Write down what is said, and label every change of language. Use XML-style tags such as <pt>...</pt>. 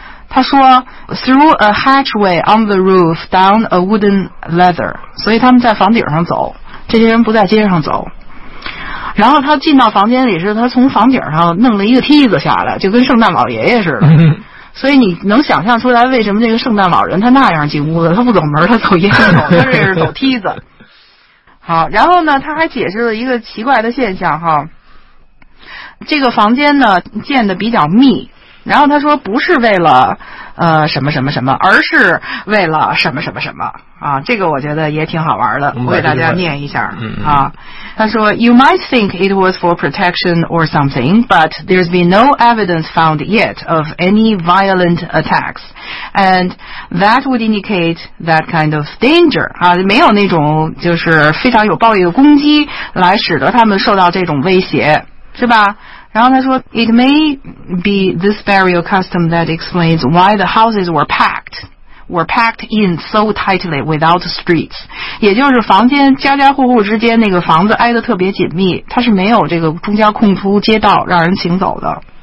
<zh>他说</zh> <en>through a hatchway on the roof down a wooden ladder，</en> <zh>所以他们在房顶上走，这些人不在街上走。然后他进到房间里是他从房顶上弄了一个梯子下来，就跟圣诞老爷爷似的。所以你能想象出来为什么这个圣诞老人他那样进屋子，他不走门，他走烟囱，他这是走梯子。好，然后呢他还解释了一个奇怪的现象哈，这个房间呢建的比较密，然后他说不是为了什么什么什么，而是为了什么什么什么啊，这个我觉得也挺好玩的，我给大家念一下啊。他说</zh> <en>You might think it was for protection or something, but there's been no evidence found yet of any violent attacks, and that would indicate that kind of danger</en> <zh>啊，没有那种就是非常有暴力的攻击来使得他们受到这种威胁，是吧？然后他说</zh> <en>It may be this burial custom that explains why the houses were packed in so tightly without streets，</en> <zh>也就是房间家家户户之间那个房子挨得特别紧密，它是没有这个中间空出街道让人行走的。</zh>